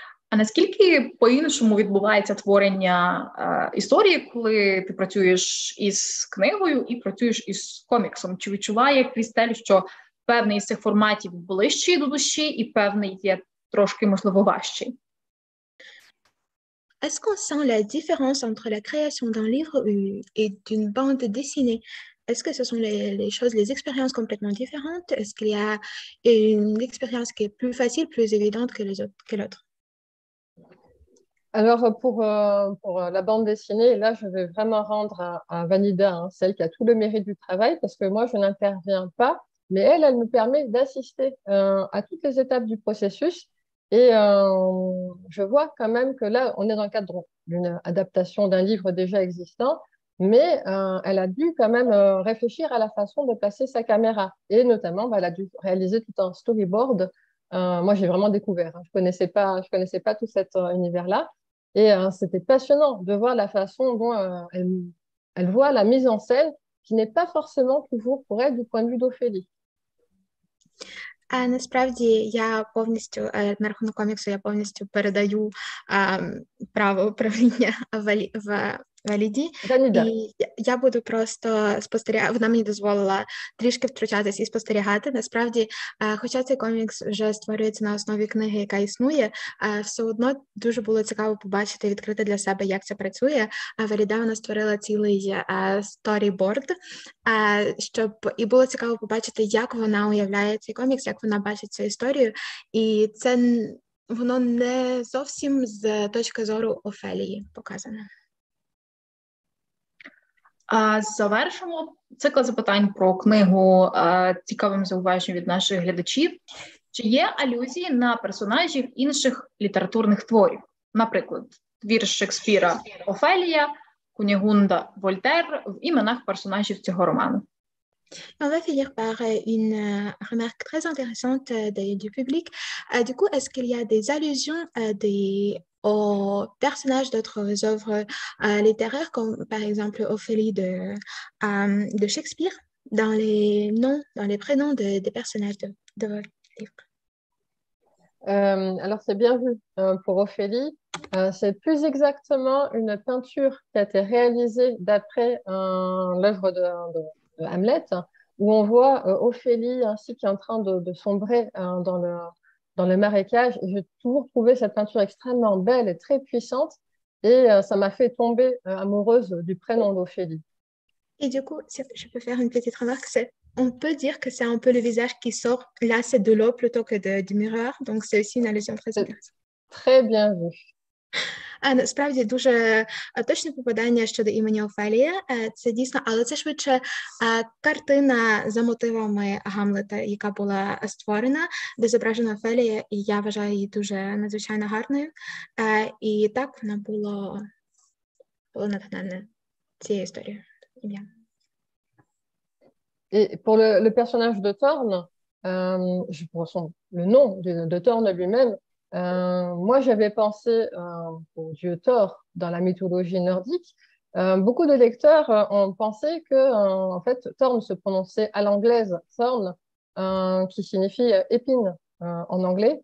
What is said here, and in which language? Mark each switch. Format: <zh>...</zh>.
<uk>А наскільки по-іншому відбувається творення історії, коли ти працюєш із книгою і працюєш із коміксом? Чи відчуває Крістель, що певний із цих форматів ближчий до душі і певний є трошки, можливо, важчий?</uk> <fr>Est-ce qu'on sent la différence entre la création d'un livre et d'une bande dessinée? Est-ce que ce sont les choses, les expériences complètement différentes? Est-ce qu'il y a une expérience qui est plus facile, plus évidente que l'autre? Alors, pour la bande dessinée, là, je vais vraiment rendre à Vanida, hein, celle qui a tout le mérite du travail, parce que moi, je n'interviens pas, mais elle me permet d'assister à toutes les étapes du processus. Et je vois quand même que là, on est dans le cadre d'une adaptation d'un livre déjà existant, mais elle a dû quand même réfléchir à la façon de placer sa caméra. Et notamment, elle a dû réaliser tout un storyboard. Moi, j'ai vraiment découvert. Hein. Je connaissais pas tout cet univers-là. Et c'était passionnant de voir la façon dont elle voit la mise en scène, qui n'est pas forcément toujours pour elle du point de vue d'Ophélie.</fr> <uk>Насправді я повністю на рахунок коміксу, я повністю передаю право управління Валіді. Ваніда. І я буду просто спостерігати. Вона мені дозволила трішки втручатись і спостерігати. Насправді, хоча цей комікс вже створюється на основі книги, яка існує, все одно дуже було цікаво побачити і відкрити для себе, як це працює. А Валіда вона створила цілий сторіборд, щоб і було цікаво побачити, як вона уявляє цей комікс, як вона бачить цю історію. І це воно не зовсім з точки зору Офелії показане. Завершимо цикл запитань про книгу цікавим зауваженням від наших глядачів. Чи є алюзії на персонажів інших літературних творів? Наприклад, твір Шекспіра «Офелія», «Кунігунда» «Вольтер» в іменах персонажів цього роману?</uk> <fr>On va finir par une remarque très intéressante du public. Du coup, est-ce qu'il y a des allusions aux personnages d'autres œuvres littéraires, comme par exemple Ophélie de Shakespeare, dans les noms, dans les prénoms des personnages de votre livre? Alors, c'est bien vu pour Ophélie. C'est plus exactement une peinture qui a été réalisée d'après l'œuvre de Hamlet, où on voit Ophélie ainsi qui est en train de sombrer dans le marécage. J'ai toujours trouvé cette peinture extrêmement belle et très puissante, et ça m'a fait tomber amoureuse du prénom d'Ophélie. Et du coup, si je peux faire une petite remarque, c'est, on peut dire que c'est un peu le visage qui sort, là c'est de l'eau plutôt que du miroir, donc c'est aussi une allusion très intéressante. Très bien vu.</fr> <uk>Насправді дуже точне попадання щодо імені Офелія. Це дійсно, але це швидше картина за мотивами Гамлета, яка була створена, де зображена Офелія, і я вважаю її дуже надзвичайно гарною. І так вона було натхненне цією історією. Ім'я.</uk> <fr>І pour le personnage de Thorne, je prends le nom de Thorne lui-même. Moi, j'avais pensé au dieu Thor dans la mythologie nordique. Beaucoup de lecteurs ont pensé que, en fait, Thorn se prononçait à l'anglaise Thorn, qui signifie épine en anglais.</fr>